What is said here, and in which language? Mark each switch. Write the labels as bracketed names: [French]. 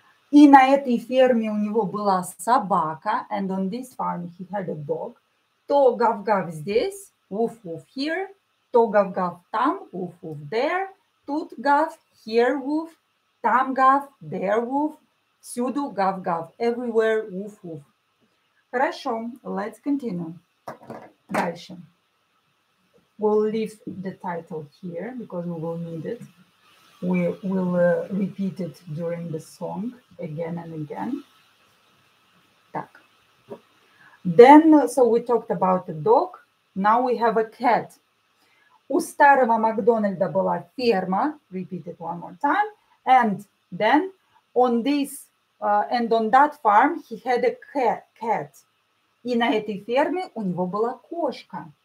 [Russian] И на этой ферме у него была собака. [English] And on this farm he had a dog. [Russian] То гав-гав здесь. [English] Woof-woof here. [Russian] То гав-гав там. [English] Woof-woof there. [Russian] Тут гав. [English] Here woof. [Russian] Там гав. [English] There woof. [Russian] Всюду гав-гав. [English] Everywhere woof-woof. [Russian] Хорошо. [English] Let's continue. [Russian] Дальше. [English] We'll leave the title here because we will need it. We will repeat it during the song. Again and again. Так. Then, so we talked about the dog. Now we have a cat. [Russian] У старого Макдональда была ферма. [English] Repeat it one more time. And then, on this, and on that farm, he had a cat. [Russian] И на этой ферме у него была кошка.